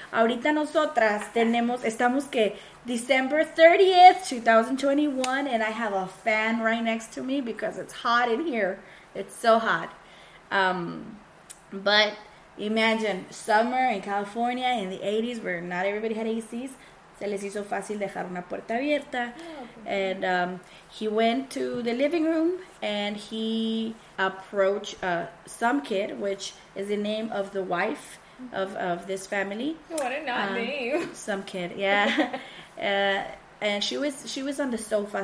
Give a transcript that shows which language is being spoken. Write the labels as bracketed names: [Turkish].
[Spanish] Ahorita nosotras tenemos, estamos que [English] December 30th, 2021, and I have a fan right next to me because it's hot in here. It's so hot. But imagine summer in California in the 80s where not everybody had ACs. [Spanish] Se les hizo fácil dejar una puerta abierta. [English] Oh, okay. And he went to the living room and he approached some kid, which is the name of the wife of this family. What a not name. Some kid, yeah. And she was on the sofa.